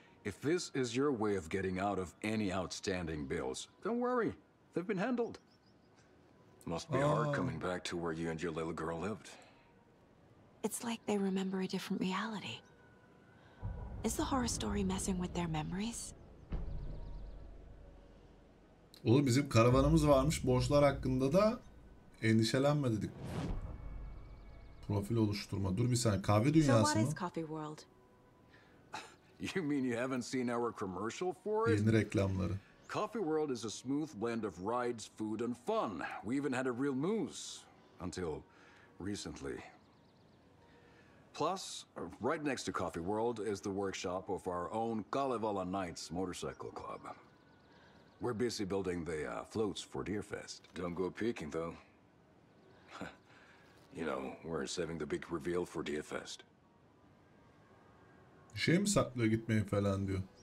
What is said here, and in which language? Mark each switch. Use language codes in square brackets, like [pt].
[en] If this is your way of getting out of any outstanding bills, don't worry. They've been handled. Must be hard coming back to where you and your little girl lived. It's like they remember a different reality. Is the horror story messing with their memories? [tr] Oğlum bizim karavanımız varmış. Borçlar hakkında da endişelenme dedik. Profil oluşturma. Dur bir saniye. Kahve dünyası mı? [en] So what is Coffee World? You mean you haven't seen our commercial for it? [tr] Yeni reklamları. [en] Coffee World is a smooth blend of rides, food and fun. We even had a real moose until recently. Plus, right next to Coffee World is the workshop of our own Kalevala Knights Motorcycle Club. We're busy building the floats for Deerfest. Don't go peeking though. You know, we're saving the big reveal for Deerfest. [tr] Şey mi saklıyor gitmeyi falan diyor.